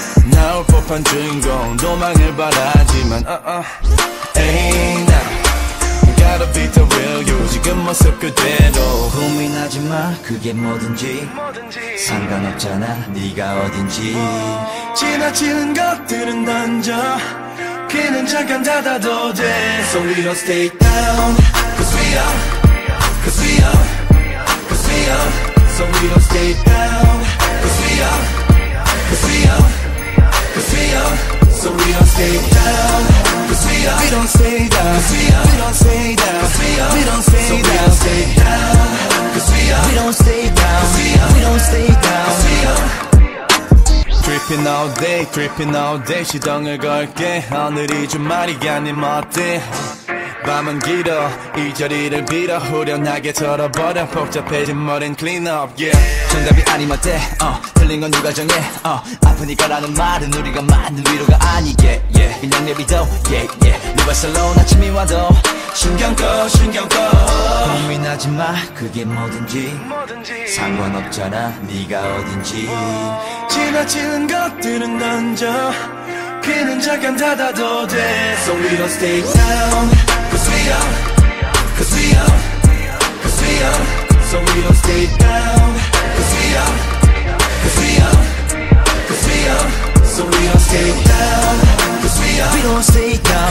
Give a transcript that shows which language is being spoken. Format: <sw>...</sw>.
<ko>나올 법한 주인공 도망을 바라지만</ko> <en>Ain't I gotta be the real you</en> <ko>지금 모습 그대로 고민하지 마 그게 뭐든지 상관없잖아 네가 어딘지 지나치는 것들은 던져 귀는 잠깐 닫아도 돼</ko> <en>So we don't stay down Cause we are Cause we are Cause we are So we don't stay down Cause we are Cause we are Creeping all day, creeping all day</en> <ko>시동을 걸게 오늘이 주말이 아님 어때 밤은 길어 이 자리를 빌어 후련하게 털어버려 복잡해진 머린</ko> <en>clean up yeah.</en> <ko>정답이 아님 어때 틀린 건 누가 정해 아프니까 라는 말은 우리가 만든 위로가 아니게 yeah. 그냥 내비둬 yeah, yeah. 네 발살로운 아침이 와도 신경 꺼 신경 꺼 고민하지 마 그게 뭐든지 상관없잖아 네가 어딘지 지나치는 것들은 던져 귀는 잠깐 닫아도 돼</ko> <en>So we don't stay down Cause we are Cause we are Cause we are So we don't stay down Cause we are Cause we are Cause we are So we don't stay down Cause we are We don't stay down</en>